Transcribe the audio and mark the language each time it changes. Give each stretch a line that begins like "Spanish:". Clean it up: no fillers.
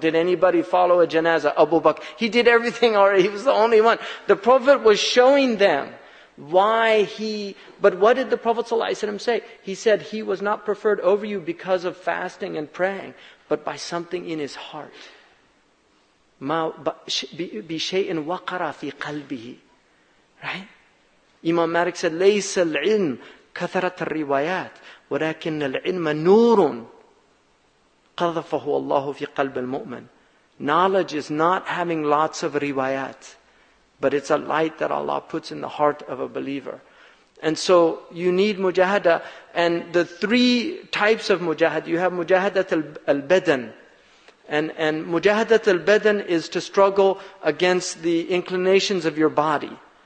English: Did anybody follow a janazah? Abu Bakr. He did everything already. He was the only one. The Prophet was showing them why he, but what did the Prophet ﷺ say? He said he was not preferred over you because of fasting and praying, but by something in his heart.
Arabic: بِشَيْءٍ وَقَرَ فِي قَلْبِهِ.
English: Right? Imam Malik said,
Arabic: لَيْسَ الْعِلْمُ كثرة الروايات ولكن العلم نور قذفه الله في قلب المؤمن.
English: Knowledge is not having lots of riwayat, but it's a light that Allah puts in the heart of a believer. And so you need mujahada. And the three types of mujahada, you have mujahada al-badan. And mujahada al-badan is to struggle against the inclinations of your body.